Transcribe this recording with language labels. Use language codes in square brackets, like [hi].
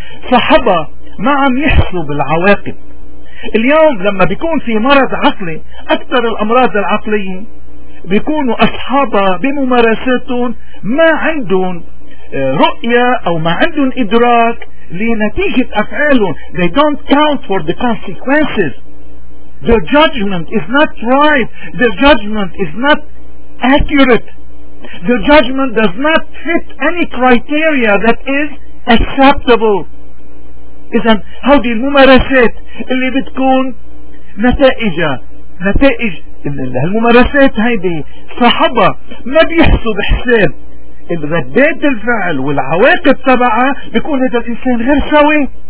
[ar] صاحبها ما عم يحسب العواقب. اليوم لما بيكون في مرض عقلي اكثر الامراض العقلية بيكونوا اصحابها بممارساتهم ما عندهم رؤية او ما عندهم ادراك لنتيجة افعالهم. [en] They don't count for the consequences. Their judgment is not right. Their judgment is not accurate. Their judgment does not fit any criteria that is acceptable. [ar] إذن هودي الممارسات اللي بتكون نتائج الممارسات هيدي صاحبة ما بيحسب حساب الردات الفعل والعواقب تبعها، بيكون هذا الإنسان غير سوي.